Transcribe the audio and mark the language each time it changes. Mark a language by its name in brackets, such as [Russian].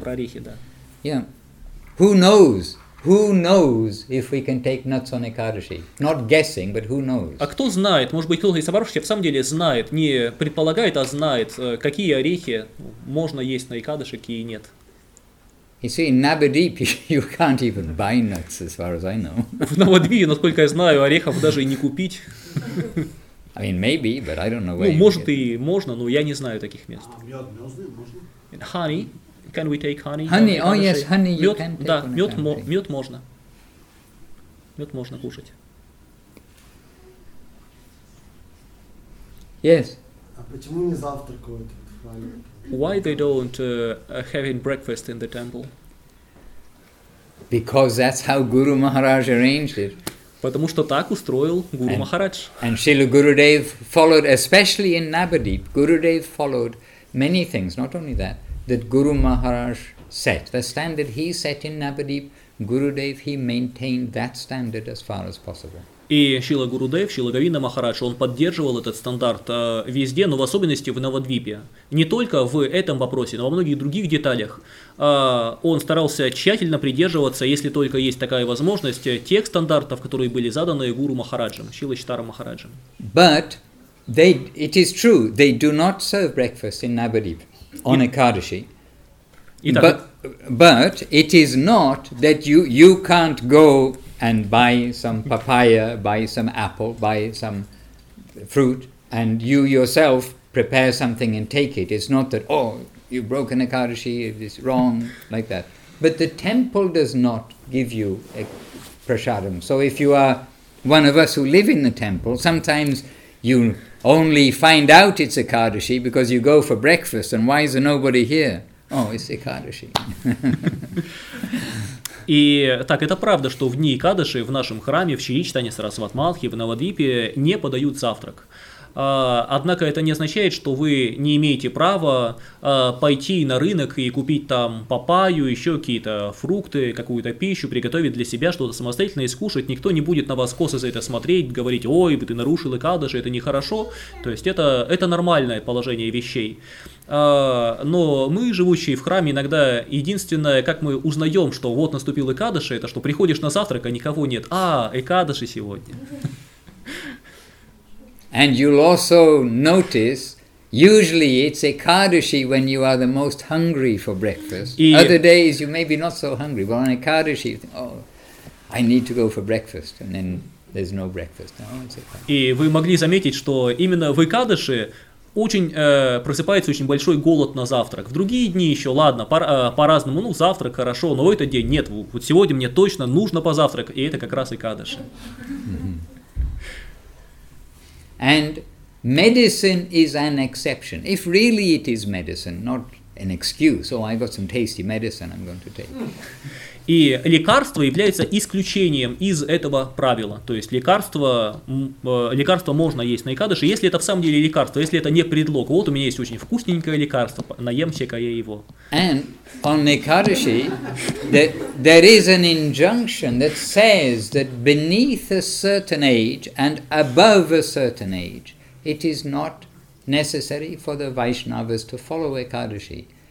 [Russian] Про орехи, да. [English] Yeah. Who knows if we can take nuts on Ekadashi? Not guessing, but who knows? [Russian] А кто знает? Может быть, кто-то из собравшихся в самом деле знает, не предполагает, а знает, какие орехи можно есть на Ekadashi, какие нет. [English] You see, in Navadvip, you can't even buy nuts, as far as I know. [Russian] В Навадвипе, насколько я знаю, орехов даже и не купить. [English] I mean, maybe, but I don't know where. [Russian] Ну, может и можно, но я не знаю таких мест. Мёд можно? [English] Honey, can we take honey? Honey, oh yes, honey, you can take. [Russian] Да, мёд можно. Мёд можно кушать. [English] Yes. [Russian] А почему не завтракают в храме? [English] Why they don't have breakfast in the temple? Because that's how Guru Maharaj arranged it. [Russian] Потому что так устроил Гуру Махарадж. [English] And Srila Gurudev followed, especially in Navadvip, Gurudev followed many things, not only that Guru Maharaj set. The standard he set in Navadvip, Gurudev, he maintained that standard as far as possible. [Russian] И Шрила Гурудев, Шрила Говинда Махарадж, он поддерживал этот стандарт везде, но в особенности в Навадвипе. Не только в этом вопросе, но во многих других деталях он старался тщательно придерживаться, если только есть такая возможность, тех стандартов, которые были заданы Гуру Махараджем, Шрила Читара Махараджем. [English] But they, it is true, they do not serve breakfast in Navadvip on Ekadashi. But it is not that you can't go and buy some papaya, buy some apple, buy some fruit, and you yourself prepare something and take it. It's not that, oh, you've broken Ekadashi, it's wrong, like that. But the temple does not give you a prasadam. So if you are one of us who live in the temple, sometimes you only find out it's Ekadashi because you go for breakfast, and why is there nobody here? Oh, it's Ekadashi. [Russian] И так, это правда, что в дни Экадаши в нашем храме, в Чаричтане Сарасватмалхи, в Навадвипе не подают завтрак. Однако это не означает, что вы не имеете права пойти на рынок и купить там папайю, еще какие-то фрукты, какую-то пищу, приготовить для себя что-то самостоятельно и скушать. Никто не будет на вас косо за это смотреть, говорить, ой, ты нарушил Экадаши, это нехорошо. То есть это нормальное положение вещей. Но мы, живущие в храме, иногда единственное, как мы узнаем, что вот наступил Экадаши, это что приходишь на завтрак, а никого нет. А, Экадаши сегодня. [English] And you'll also notice, usually it's Ekadashi when you are the most hungry for breakfast. Other days you may be not so hungry, but on Ekadashi, oh, I need to go for breakfast, and then there's no breakfast. No, it's Ekadashi. [Russian] И вы могли заметить, что именно в Экадаши очень просыпается очень большой голод на завтрак. В другие дни еще, ладно, по-разному, ну, завтрак хорошо, но в этот день нет. Вот сегодня мне точно нужно позавтрак, и это как раз Экадаши. [English] And medicine is an exception. If really it is medicine, not an excuse. Oh, I got some tasty medicine I'm going to take. [Russian] И лекарство является исключением из этого правила. То есть лекарство можно есть на Экадаши, если это в самом деле лекарство, если это не предлог. Вот у меня есть очень вкусненькое лекарство, наемся-ка я его. [English] And on Экадаши, there is an injunction that says that beneath a certain age and above a certain age, it is not necessary for the Vaishnavas to follow Ekadashi.